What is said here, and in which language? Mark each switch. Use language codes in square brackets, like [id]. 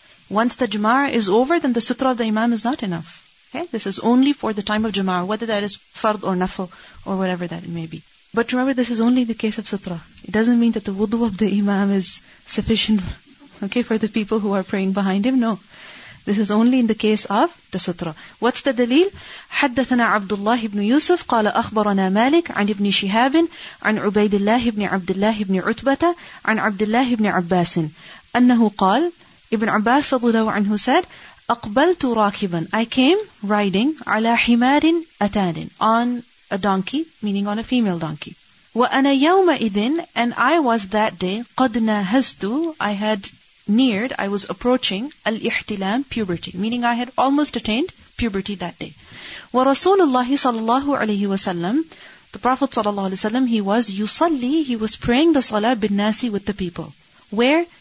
[en] Once the jama'ah is over, then the sutra of the imam is not enough. Okay, this is only for the time of jama'ah, whether that is fard or nafl or whatever that it may be. But remember, this is only the case of sutra. It doesn't mean that the wudu of the imam is sufficient, okay, for the people who are praying behind him. No. This is only in the case of the sutra. What's the dalil? [ar] حدثنا عبد الله بن يوسف قال أخبرنا مالك عن ابن شهاب عن عبيد الله بن عبد الله بن عتبة عن عبد الله بن عباس أنه قال ابن عباس رضي الله عنه [en] said [ar] أقبلت راكبا [en] I came riding [ar] على حمار أتان [en] on a donkey, meaning on a female donkey. [ar] وأنا يومئذ [en] and I was that day [ar] قد ناهزت [en] I had neared, I was approaching al-ihtilam, puberty, meaning I had almost attained puberty that day. Wa Rasulullah sallallahu alayhi wa sallam, the Prophet sallallahu alayhi wa sallam, he was yusalli, he was praying the salah bin nasi with the people. Where?